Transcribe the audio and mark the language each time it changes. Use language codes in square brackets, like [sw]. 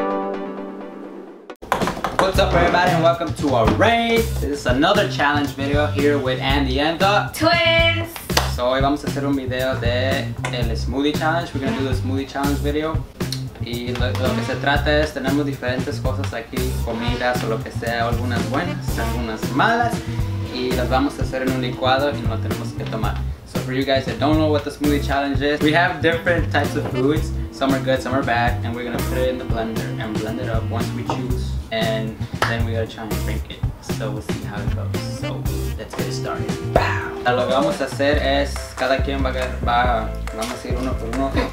[en] What's up, everybody, and welcome to a race. This is another challenge video here with Andy and the twins. [es] So hoy vamos a hacer un video de el smoothie challenge. [en] We're gonna do the smoothie challenge video. [es] Y lo que se trata es tenemos diferentes cosas aquí, comidas o lo que sea, algunas buenas, algunas malas, y las vamos a hacer en un licuado y no tenemos que tomar. [en] So for you guys that don't know what the smoothie challenge is, we have different types of foods. Some are good, some are bad, and we're gonna put it in the blender and blend it up once we choose, and then we gotta try and drink it. So we'll see how it goes. So let's get it started. Bow. [es] Lo que vamos a hacer es cada quien va vamos a ir uno por uno.